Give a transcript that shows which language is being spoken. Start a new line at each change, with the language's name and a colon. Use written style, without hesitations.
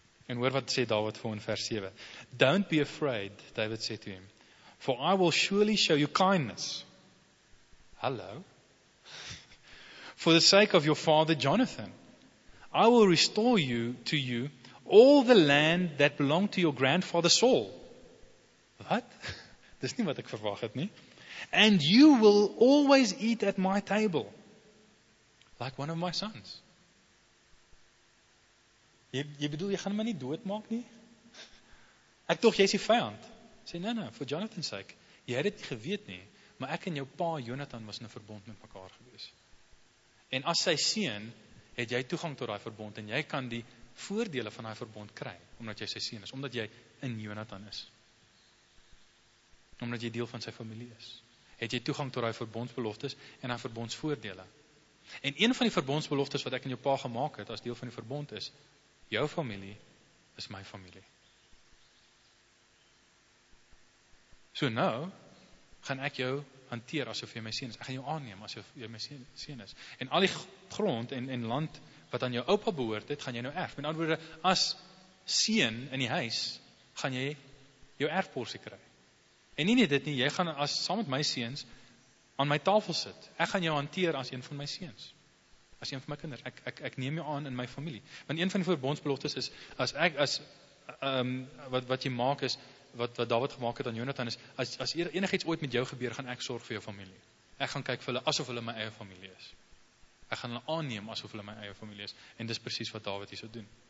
Afrikaans: En hoor wat sê David voor in vers 7.
English: Don't be afraid,
Afrikaans: David sê
English: to him, for I will surely show you kindness. Hello. For the sake of your father Jonathan, I will restore you to you all the land that belonged to your grandfather Saul.
Afrikaans: Wat? Dis nie wat ek verwag het nie.
English: And you will always eat at my table, like one of my sons.
Afrikaans: Jy bedoel, jy gaan my nie doodmaak nie? Ek toch, jy is die vijand. Sê, nee, vir Jonathan sê ek, jy het nie geweet nie, maar ek en jou pa, Jonathan, was in 'n verbond met mekaar gewees. En as sy seun, het jy toegang tot die verbond, en jy kan die voordele van die verbond kry, omdat jy sy seun is, omdat jy in Jonathan is. Omdat jy deel van sy familie is. Het jy toegang tot die verbondsbeloftes en die verbondsvoordele. En een van die verbondsbeloftes wat ek en jou pa gemaak het, as deel van die verbond is, jou familie is my familie. So nou, gaan ek jou hanteer asof jy my seun is. Ek gaan jou aanneem asof jy my seun is. En al die grond en land wat aan jou oupa behoort het, gaan jy nou erf. Met ander woorde, as seun in die huis, gaan jy jou erfporsie kry. En nie net dit nie, jy gaan as saam met my seuns aan my tafel sit. Ek gaan jou hanteer as een van my seuns. As een van my kinders, ek neem jou aan in my familie. Want een van die verbondsbeloftes is, wat jy maak is, wat David gemaak het aan Jonathan is, as enig iets ooit met jou gebeur, gaan ek sorg vir jou familie. Ek gaan kyk vir hulle, asof hulle my eie familie is. ek gaan hulle aanneem asof hulle my eie familie is, en dis precies wat David hier so doen.